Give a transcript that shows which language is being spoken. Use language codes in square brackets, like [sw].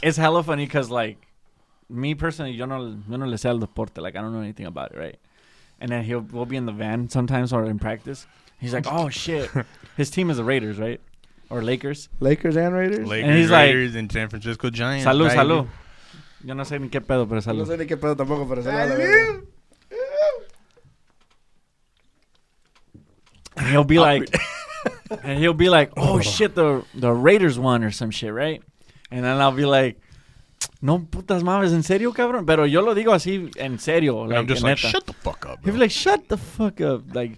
[en] It's hella funny because, like, me personally, [es] yo no le sé al deporte. [en] Like, I don't know anything about it, right? And then we'll be in the van sometimes or in practice. He's like, oh, shit. His team is the Raiders, right? Or Lakers. Lakers and Raiders? Lakers, and he's Raiders, like, and San Francisco Giants. [es] Salud, salud. Yo no sé ni qué pedo, pero salud. No sé ni qué pedo tampoco, pero salud. [en] And he'll be like, oh, shit, the Raiders won or some shit, right? And then I'll be like, [es] No putas mames, en serio, cabrón. Pero yo lo digo así, en serio. [en] Like, I'm just like, [es] neta. [en] Shut the fuck up, bro. He'd be like, shut the fuck up. Like,